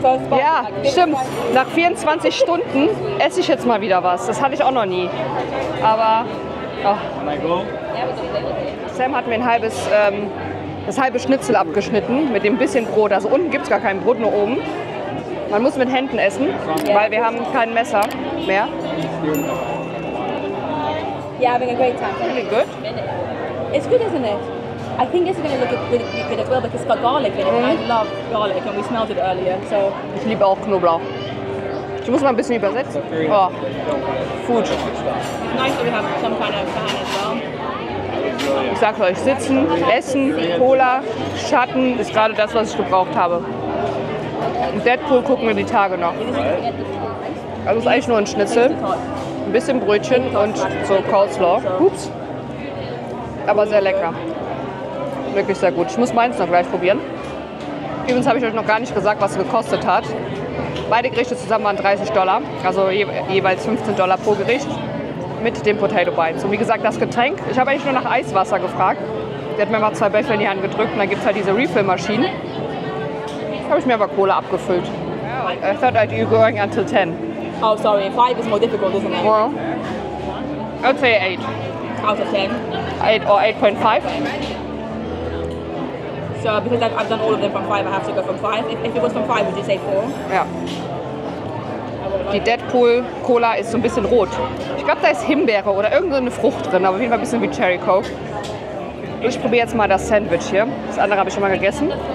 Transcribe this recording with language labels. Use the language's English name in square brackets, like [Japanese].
[German] Ja, stimmt. Nach 24 Stunden esse ich jetzt mal wieder was. Das hatte ich auch noch nie. Aber. Oh. Sam hat mir ein halbes. Das halbe Schnitzel abgeschnitten mit dem bisschen Brot. Also unten gibt es gar kein Brot, nur oben. Man muss mit Händen essen, weil wir haben kein Messer mehr. [English] Yeah, having a great time. Really good. It's good, isn't it? I think it's gonna look a bit as well, because it's got garlic in it. Mm. I love garlic and we smelled it earlier. So. [German] Ich liebe auch Knoblauch. Ich muss mal ein bisschen übersetzen. [English] Oh. Food. It's nice that we have some kind of fan as well. [German] Ich sag euch, sitzen, essen, Cola, Schatten ist gerade das, was ich gebraucht habe. Und Deadpool gucken wir die Tage noch. Also ist eigentlich nur ein Schnitzel, ein bisschen Brötchen und so Coleslaw. Ups. Aber sehr lecker. Wirklich sehr gut. Ich muss meins noch gleich probieren. Übrigens habe ich euch noch gar nicht gesagt, was es gekostet hat. Beide Gerichte zusammen waren $30, also jeweils $15 pro Gericht. Mit dem Potato Bites. Und wie gesagt, das Getränk, ich habe eigentlich nur nach Eiswasser gefragt. Der hat mir mal zwei Becher in die Hand gedrückt und dann gibt es halt diese Refill-Maschinen. Da habe ich mir aber Cola abgefüllt. [English] I thought I'd be going until 10. Oh, sorry, 5 is more difficult, isn't it? Well, I'd say 8. Out of 10? 8 or 8.5. So, because I've done all of them from 5, I have to go from 5. If it was from 5, would you say 4? [German] Ja. Die Deadpool-Cola ist so ein bisschen rot. Ich glaube, da ist Himbeere oder irgendeine Frucht drin, aber auf jeden Fall ein bisschen wie Cherry Coke. Ich probiere jetzt mal das Sandwich hier. Das andere habe ich schon mal gegessen.